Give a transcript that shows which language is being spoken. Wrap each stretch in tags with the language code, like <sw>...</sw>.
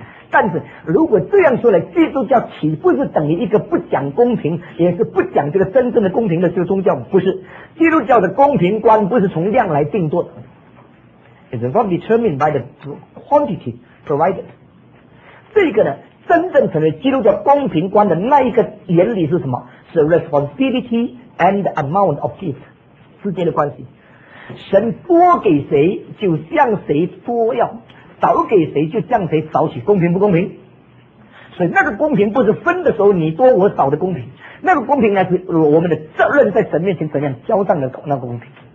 <zh>但是如果这样说来，基督教岂不是等于一个不讲公平，也是不讲这个真正的公平的这个宗教？不是，基督教的公平观不是从量来定夺的。</zh> <en>It's not determined by the quantity provided。</en> <zh>这个呢，真正成为基督教公平观的那一个原理是什么？</zh> <en>是 responsibility and the amount of gift</en> <zh>之间的关系。神多给谁就向谁多要，少给谁就向谁少取，公平不公平？所以那个公平不是分的时候你多我少的公平，那个公平呢是我们的责任在神面前怎样交上的那个公平。</zh>